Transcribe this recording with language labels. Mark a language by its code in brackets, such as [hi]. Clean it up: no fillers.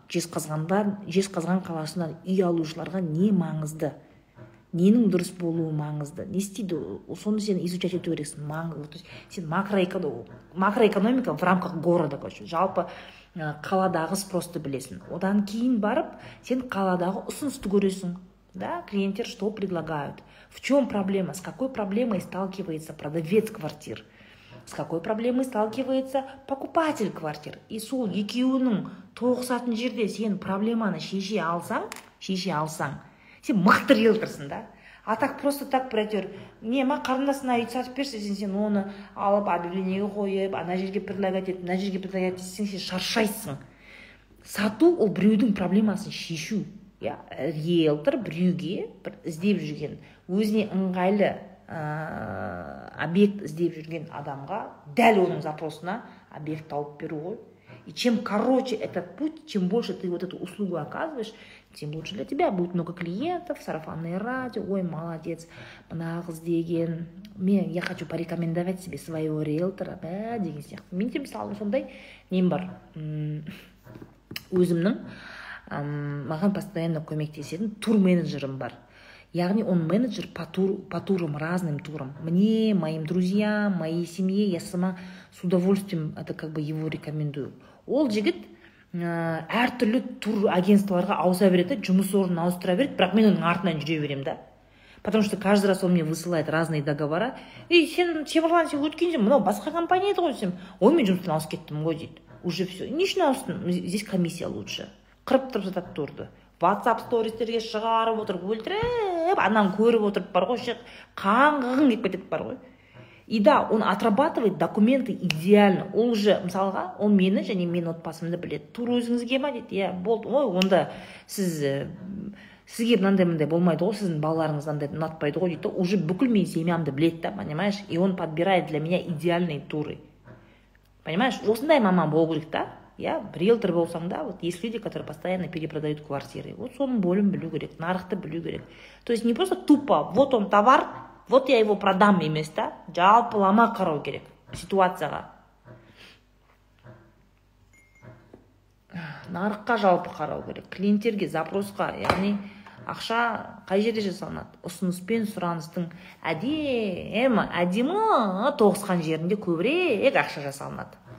[kk] Жезқазған қаласынан үй алушыларға не маңызды? Ненің дұрыс болуы маңызды? Не істейді? Соны сен изучать ету керексің. Маңызды. Сен макроэкономика [ru] в рамках города, [kk] жалпы қаладағы спросты білесің. Одан кейін барып, сен қаладағы ұсынысты көресің. [ru] Да, клиенттер что предлагают? В чем проблема? С какой проблемой сталкивается продавец квартир? С какой проблемой сталкивается покупатель квартир? [kk] И сол екеуінің тоғысатын жерде сен проблеманы шеше алсаң, сен мықты риэлторсың, да? [ru] А так просто так пройдет. [kk] Не, ма қарындасына үйді сатып берсе, сен оны алып, объявлениеге қойып, ана жерге предлагать етіп, мына жерге предлагать етсең, сен шаршайсың. Сату ол біреудің проблемасын шешу. Я риэлтор біреуге іздеп жүрген, өзіне ыңғайлы объект іздеп жүрген адамға дәл оның запросына объект тауып беру ғой. [ru] И чем короче этот путь, чем больше ты вот эту услугу оказываешь, тем лучше для тебя будет много клиентов, сарафанное радио, ой, молодец, [kk] мынағы іздеген, [ru] мен я хочу порекомендовать себе своего риэлтора, бә, [kk] деген сияқты. Мен де мысалы сондай нем бар, өзімнің маған постоянно көмектесетін тур менеджерім бар. [ru] Яғни он менеджер по турам, разным турам. Мне, моим друзьям, моей семье, я сама с удовольствием это как бы его рекомендую. [kk] Ол жігіт әртүрлі тур агентстваларға ауыса береді, жұмыс орнын ауыстыра береді, бірақ мен оның артынан жүре беремін, да? [ru] Потому что каждый раз он мне высылает разные договора. [kk] И сен Темірлан, сен өткенде мынау басқа компания еді ғой, ой, мен жұмыстан ауысып кеттім ғой дейді. [ru] Уже все. [kk] Нешін ауыстың? [ru] Здесь комиссия лучше. [kk] Қырып тұрып жатады турды. WhatsApp стористерге шығарып отырып өлтіріп, анан көріп отырып бар ғой, қаңғығың деп кетеді бар ғой. [ru] И да, он отрабатывает документы идеально. [kk] Ол уже, мысалға, он мені және мен отбасымды біледі. Тур өзіңізге ма дейді? Иә, болды. Ой, онда сізге мынандай болмайды ғой, сіздің балаларыңыз мынандай ұнатпайды ғой дейді. Уже бүкіл мен семьямды біледі да, понимаешь? [ru] И он подбирает для меня идеальные туры. Понимаешь? [kk] Осындай маман болу керек та. [ru] Я риэлтор болсаң да, вот есть люди, которые постоянно перепродают квартиры. Вот [kk] соның болын білу керек, [ru] нарықты білу керек. То есть не просто тупо, вот он товар, вот я его продам емес, да? [kk] Жалпылама қарау керек ситуацияға. Нарыққа жалпы қарау керек, клиенттерге, запросқа, яғни ақша қай жерде жасалынады? Ұсыныс пен сұраныстың әдемі тоғысқан жерінде көбірек ақша жасалынады.